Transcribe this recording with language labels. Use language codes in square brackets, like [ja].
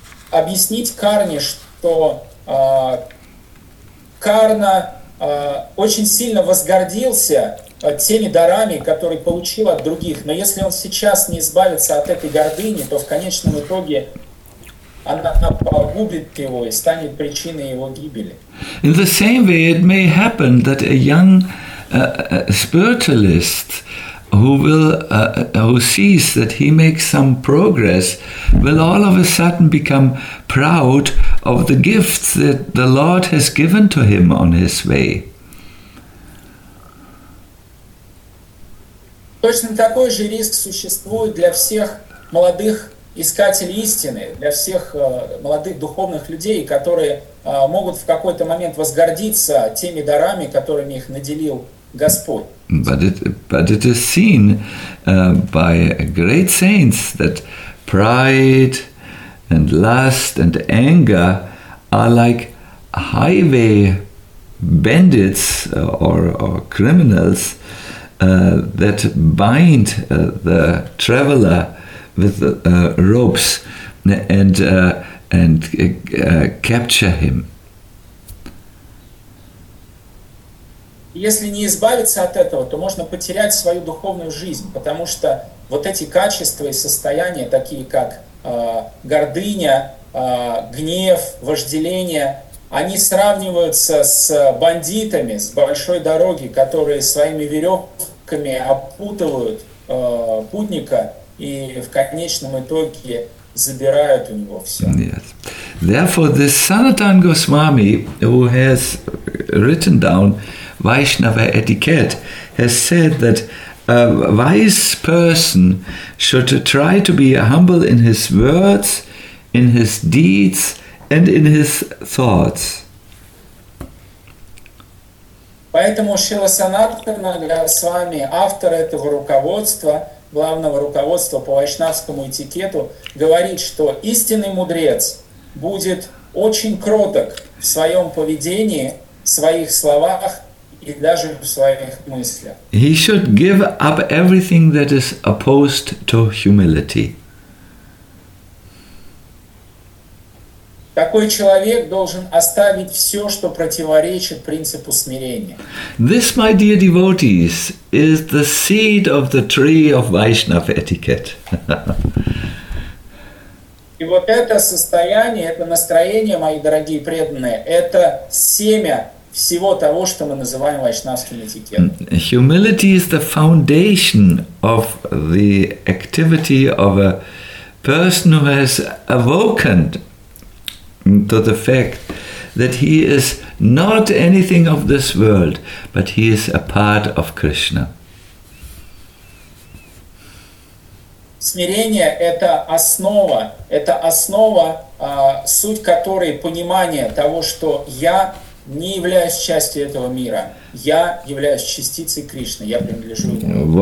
[ru] Объяснить Карне, что Карна очень сильно возгордился теми дарами, которые получил от других, но если он сейчас не избавится от этой гордыни, то в конечном итоге она погубит его и станет причиной его гибели. [en] In the same way, it may happen that a young spiritualist who sees that he makes some progress will all of a sudden become proud of the gifts that the Lord has given to him on his way. [ru] Точно такой же риск существует для всех молодых искателей истины, для всех молодых духовных людей, которые могут в какой-то момент возгордиться теми дарами, которыми их наделил Господь. [en] But it is seen by great saints that pride and lust and anger are like highway bandits or criminals that bind the traveler with ropes and capture him. [ru] Если не избавиться от этого, то можно потерять свою духовную жизнь, потому что вот эти качества и состояния, такие как гордыня, гнев, вожделение, они сравниваются с бандитами с большой дороги, которые своими веревками опутывают путника и в конечном итоге забирают у него все. [en] Yes. Therefore, this Sanatan Goswami, who has written down Vaishnava etiquette, has said that a wise person should try to be humble in his words, in his deeds, and in his thoughts. [ru] Поэтому Шрила Санатана Госвами, автор этого руководства, главного руководства по вайшнавскому этикету, говорит, что истинный мудрец будет очень кроток в своем поведении, в своих словах и даже в своих мыслях. [en] He should give up everything that is opposed to humility. [ru] Такой человек должен оставить все, что противоречит принципу смирения. [en] This, my dear devotees, is the seed of the tree of Vaishnava etiquette. [ru] И вот это состояние, это настроение, мои дорогие преданные, это семя всего того, что мы называем вайшнавским этикетом. [en] Humility is the foundation of the activity of a person who has awoken to the fact that he is not anything of this world, but he is a part of Krishna. [ru] Смирение – это основа, суть которой – понимание того, что я не являюсь частью этого мира, я являюсь частицей Кришны, я принадлежу ему.